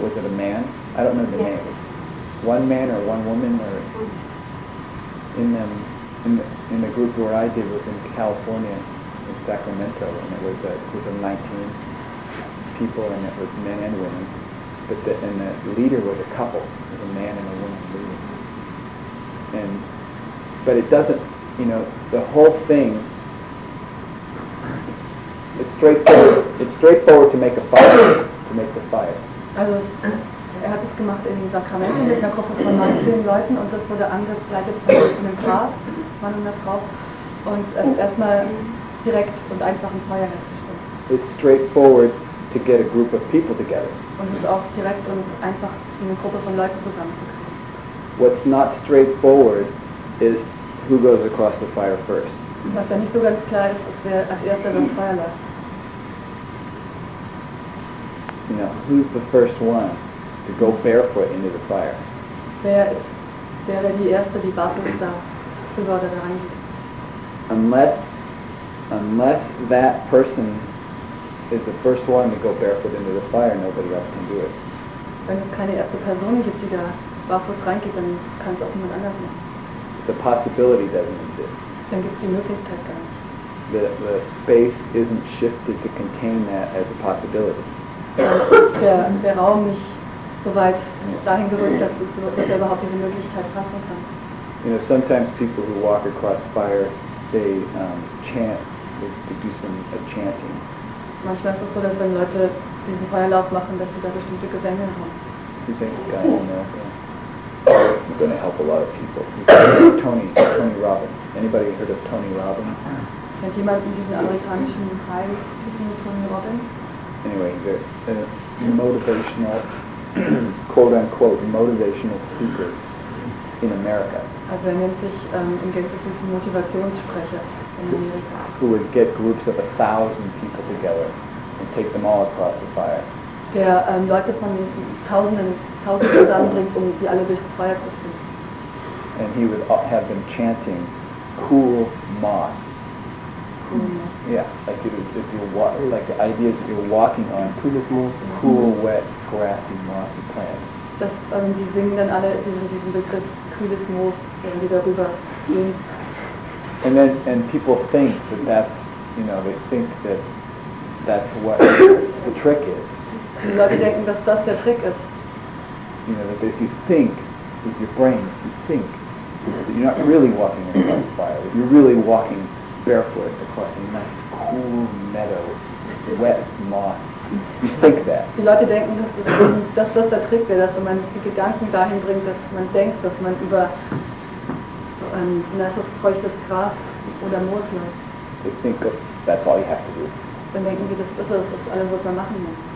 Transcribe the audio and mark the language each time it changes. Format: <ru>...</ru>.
<en>Was it a man? I don't know the name. one man or one woman or in them, in the group where I did was in California, in Sacramento, and it was a group of 19 people, and it was men and women, but the leader was a couple, was a man and a woman leading. And but it doesn't, you know, the whole thing, it's straightforward. It's straightforward to make a fire, to make the fire.</en> <de>Also, hat es gemacht in dieser Kamelle mit einer Gruppe von 19 Leuten und das wurde angeleitet von einem Paar, Mann und Frau, und es ist erstmal direkt und einfach ein Feuer gestellt.</de> <en>It's straightforward to get a group of people together.</en> <de>Und es ist auch direkt und einfach eine Gruppe von Leuten zusammenzukriegen.</de> <en>What's not straightforward is who goes across the fire first.</en> <de>Was da nicht so ganz klar ist, ist wer als erster durchs Feuer läuft.</de> <en>You know, who's the first one to go barefoot into the fire?</en> <de>Wer ist der, der die erste, die barfuß da rüber oder da reingeht?</de> <en>Unless that person is the first one to go barefoot into the fire, nobody else can do it.</en> <de>Wenn es keine erste Person gibt, die da barfuß reingeht, dann kann es auch niemand anders machen.</de> <en>The possibility doesn't exist.</en> <de>Dann gibt es die Möglichkeit gar nicht.</de> <en>The space isn't shifted to contain that as a possibility.</en> <de>Der Raum nicht so weit dahin gerückt, dass er überhaupt diese Möglichkeit fassen kann.</de> <en>You know, sometimes people who walk across fire, they chant, they do some chanting.</en> <de>Manchmal ist es so, dass wenn Leute diesen Feuerlauf machen, dass sie da bestimmte Gesänge haben.</de> <en>You think, God, you know, you're going to help a lot of people. You Tony Robbins. Anybody heard of Tony Robbins?</en> <de>Kennt jemand diesen amerikanischen Heiltypen Tony Robbins?</de> <en>Anyway, the motivational, quote-unquote, motivational speaker in America.</en> <de>Also er nennt sich im Gänzlichen Motivationssprecher in Amerika.</de> <en>Who would get groups of 1,000 people together and take them all across the fire.</en> <de>Der Leute von Tausenden zusammenbringt, um die alle durchs Feuer zu führen.</de> <en>And he would have them chanting, cool moths. Mm-hmm. Yeah, like if you're water, like the idea is if you're walking on cool, wet, grassy, mossy plants.</en> <de>Das, die singen dann alle diesen Begriff cooles Moos, wenn die darüber gehen.</de> <en>And then people think that that's, you know, they think that that's what the trick is.</en> <de>Die Leute denken, dass das der Trick ist.</de> <en>You know, that if you think with your brain, if you think that you're not really walking in a fire, that you're really walking barefoot across a nice cool meadow, wet moss. You think that.</en> <de>Die Leute denken, dass das der Trick wäre, dass man die Gedanken dahin bringt, dass man denkt, dass man über so ein nasses, feuchtes Gras oder Moos läuft.</de> <en>They think of, that's all you have to do.</en> <de>Dann denken sie, das ist das alles, was man machen muss.</de>